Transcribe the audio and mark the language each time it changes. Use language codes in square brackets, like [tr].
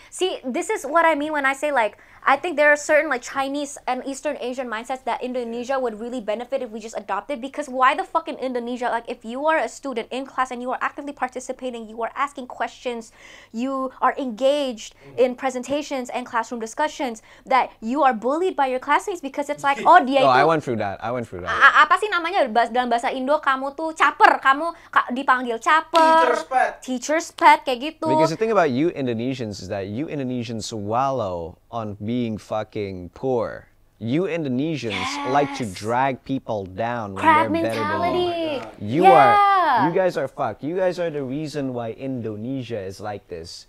[en] See, this is what I mean when I say, like, I think there are certain, like, Chinese and Eastern Asian mindsets that Indonesia would really benefit if we just adopted. Because why the fuck in Indonesia, like, if you are a student in class and you are actively participating, you are asking questions, you are engaged in presentations and classroom discussions, that you are bullied by your classmates because it's like, oh, [id] dia itu. [en] Oh, I went through that. [id] Apa sih namanya dalam bahasa Indo, kamu tuh caper, kamu dipanggil caper. [en] Teacher's pet, [id] kayak gitu. [en] Because the thing about you Indonesians is that you Indonesians wallow on being fucking poor. You Indonesians, yes, like to drag people down. Crab when they're mentality. Better than you guys are fucked. You guys are the reason why Indonesia is like this.